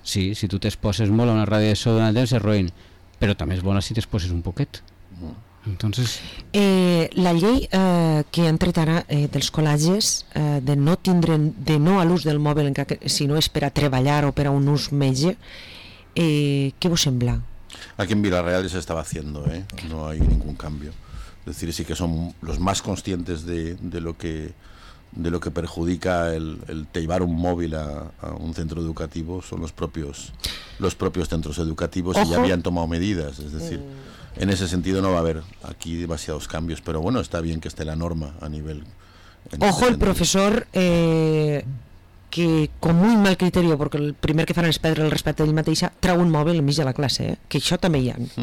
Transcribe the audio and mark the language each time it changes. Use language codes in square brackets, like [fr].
[ca] Sí, si tu t'exposes molt a una radiació durant el temps és roïn, però també és bona si t'exposes un poquet. [es] Entonces... [ca] La llei que han tret ara dels col·legis de no tindre, de no a l'ús del mòbil, si no és per a treballar o per a un ús metge, què vos sembla? Aquí en Vila-real ja s'estava fent, no hi ha ningun canvi. [es] Es decir, sí que son los más conscientes de lo que perjudica el llevar un móvil a un centro educativo son los propios centros educativos. Ojo. Y ya habían tomado medidas, es decir, en ese sentido no va a haber aquí demasiados cambios, pero bueno, está bien que esté la norma a nivel... Ojo, el profesor, que con muy mal criterio, porque [ca] el primer que faran es perdre el respecte d'ell mateixa, trau un mòbil enmig de la classe, que això també hi ha.